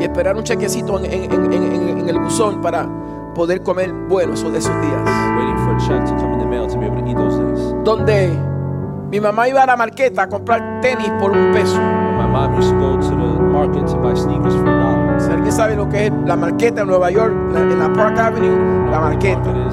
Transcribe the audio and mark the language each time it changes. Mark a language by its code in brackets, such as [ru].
[es] Y esperar un chequecito en el buzón para poder comer bueno esos de esos días. [en] Waiting for a check to come in the mail to be able to eat those days. [es] Donde mi mamá iba a la marqueta a comprar tenis por un peso. [en] My mom used to go to the market to buy sneakers for $1. [es] ¿Sabe alguien sabe lo que es la marqueta en Nueva York, en la Park Avenue, la marqueta?